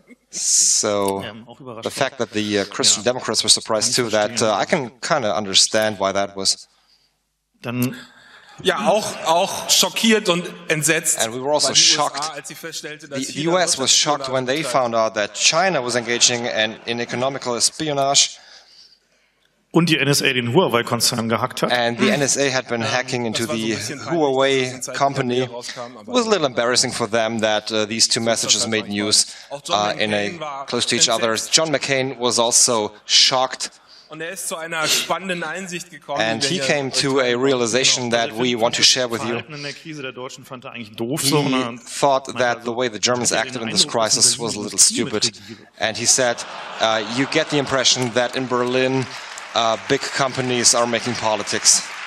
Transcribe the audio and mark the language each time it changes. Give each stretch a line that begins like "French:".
English: So the fact that the Christian Democrats were surprised too, that I can kind of understand why that was.
German: Ja, auch schockiert und entsetzt.
English: And we were also shocked. The US was shocked when they found out that China was engaging in economical espionage.
German: Und die NSA den Huawei-Konzern gehackt hat.
English: And the NSA had been hacking into the Huawei company. It was a little embarrassing for them that these two messages made news close to each other. John McCain was also shocked.
German: Und er ist zu einer spannenden Einsicht gekommen.
English: And he came to a realization that we want to share with you. He thought that the way the Germans acted in this crisis was a little stupid. And he said, you get the impression that in Berlin, big companies are making politics.